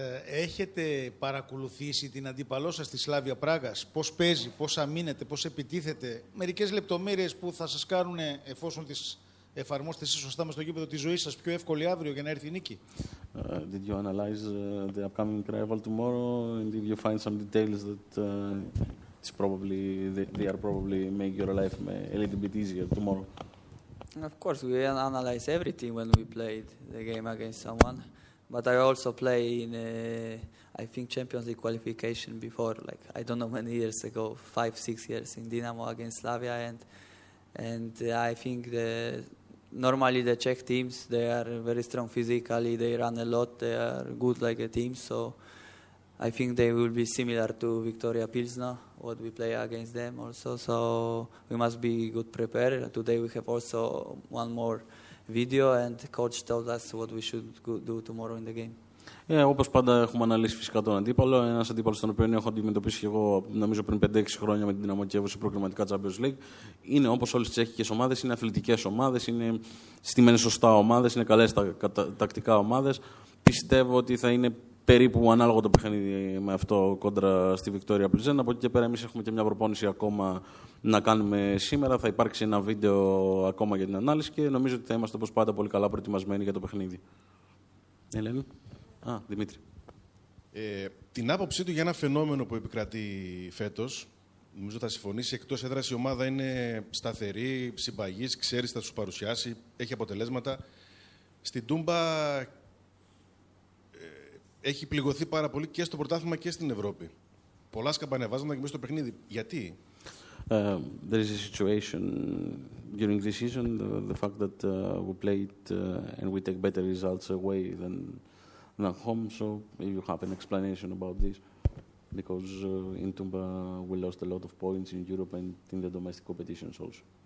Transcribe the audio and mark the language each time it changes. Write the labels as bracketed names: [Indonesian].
[Greek] Έχετε παρακολουθήσει την αντίπαλό σας στη Σλάβια Πράγας, πώς παίζει, πώς αμήνεται, πώς επιτίθεται, μερικές λεπτομέρειες που θα σας κάνουν, εφόσον τις εφαρμόσετε εσείς σωστά μες στο γήπεδο, τη ζωή σας πιο εύκολη αύριο για να έρθει η νίκη. [English] Did you analyze the upcoming rival tomorrow, and did you find some details that they are probably make your life a little bit easier tomorrow? Of course, we analyze everything when we played the game against someone, but I also play in I think Champions League qualification before, like I don't know many years ago, 5-6 years in Dinamo against Slavia, and I think the. Normally the Czech teams, they are very strong physically, they run a lot, they are good like a team, so I think they will be similar to Victoria Pilsna, what we play against them also, so we must be good prepared. Today we have also one more video and coach told us what we should do tomorrow in the game. [Greek] Όπως πάντα έχουμε αναλύσει φυσικά τον αντίπαλο, ένας αντίπαλος τον οποίο έχω αντιμετωπίσει και εγώ νομίζω πριν 5-6 χρόνια με την Δυναμό Κιέβου σε προκριματικά Champions League. Είναι όπως όλες τις τσεχικές ομάδες, είναι αθλητικές ομάδες, είναι στημένες σωστά ομάδες, είναι καλές τακτικά ομάδες. Πιστεύω ότι θα είναι περίπου ανάλογο το παιχνίδι με αυτό κόντρα στη Βικτόρια Πλιζέν. Από εκεί και πέρα, εμείς έχουμε και μια προπόνηση ακόμα να κάνουμε σήμερα. Θα υπάρξει ένα βίντεο ακόμα για την ανάλυση και νομίζω ότι θα είμαστε όπως πάντα πολύ καλά προετοιμασμένοι για το παιχνίδι. Ελένη. Α, Δημήτρη. Την άποψή του για ένα φαινόμενο που επικρατεί φέτος, νομίζω θα συμφωνήσει. Εκτός έδρας η ομάδα είναι σταθερή, συμπαγής, ξέρει τι θα σου παρουσιάσει, έχει αποτελέσματα. Στην Τούμπα έχει πληγωθεί πάρα πολύ και στο πρωτάθλημα και στην Ευρώπη. Πολλά σκαμπανεβάζοντα και μέσα στο παιχνίδι. Γιατί? [English] There is a situation during this season, the fact that we played and we take better results away than home. So if you have an explanation about this, because in Tumba we lost a lot of points in Europe and in the domestic competitions also.